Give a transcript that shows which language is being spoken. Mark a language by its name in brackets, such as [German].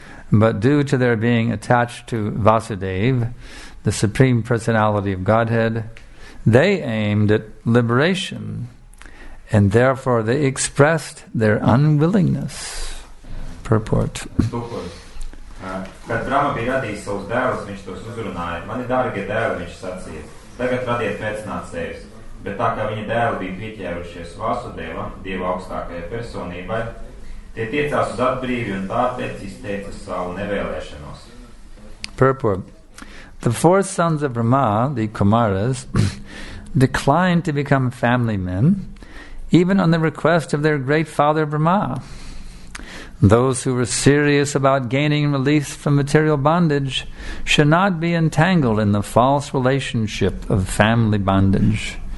[English] But due to their being attached to Vasudeva, the Supreme Personality of Godhead, they aimed at liberation, and therefore they expressed their unwillingness. Purport. [Latvian] Kad Brahma bija radījis savus dēlus, viņš tos uzrunāja. Mani dārgie dēli, viņš sacīja, tagad radiet pēcnācējus. Bet tā kā viņa dēli bija pieķērušies Vasudeva, Dieva augstākajai personībai, tie tiecās uz atbrīvi un tāpēc izteica savu nevēlēšanos. [English] Purport. The four sons of Brahma, the Kumaras, declined to become family men, even on the request of their great father Brahma. Those who were serious about gaining release from material bondage should not be entangled in the false relationship of family bondage.